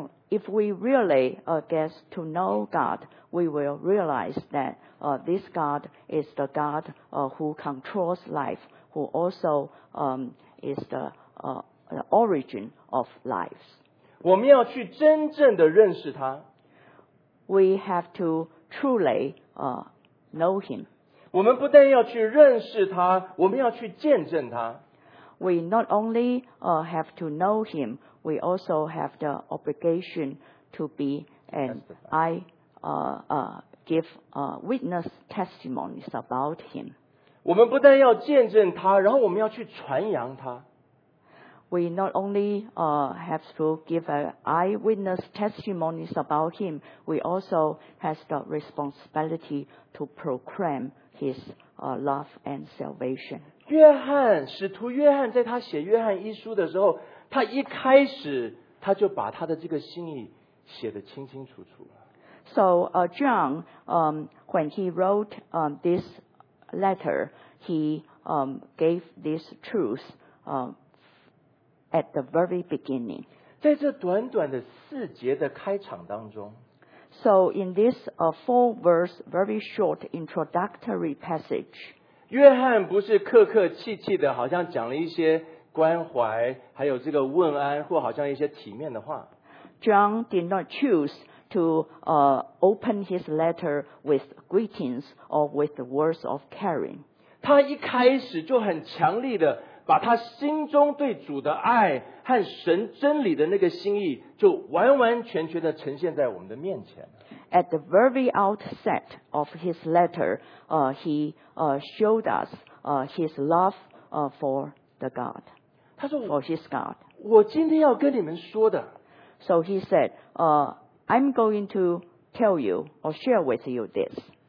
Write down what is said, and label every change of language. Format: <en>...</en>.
<en>If we really get to know God, we will realize that this God is the God who controls life, who also is the origin of lives.</en> <zh>我们要去真正的认识他。</zh> <en>We have to truly know him.</en> <zh>我们不但要去认识他，我们要去见证他。</zh> <en>We not only have to know him,We also have the obligation to be an witness testimonies about him.</en> <zh>我们不但要见证他，然后我们要去传扬他。</zh> <en>We not only have to give an eyewitness testimonies about him, we also have the responsibility to proclaim his love and salvation.</en> <zh>约翰，使徒约翰在他写约翰一书的时候，他一开始他就把他的这个心意写得清清楚楚。</zh> <en>So John, when he wrote this letter, he gave this truth at the very beginning.</en> <zh>在这短短的四节的开场当中，</zh> <en>So in this four verse, very short introductory passage,</en> <zh>约翰不是客客气气的好像讲了一些关怀，还有这个问安，或好像一些体面的话。</zh> <en>John did not choose to open his letter with greetings or with words of caring.</en> <zh>他一开始就很强力的把他心中对主的爱和神真理的那个心意，就完完全全的呈现在我们的面前。</zh> <en>At the very outset of his letter, he showed us his love for the God.</en> <zh>他说</zh> <en>For his God.</en> <zh>我今天要跟你们说的。</zh> <en>So he said, I'm going to tell you or share with you this.</en>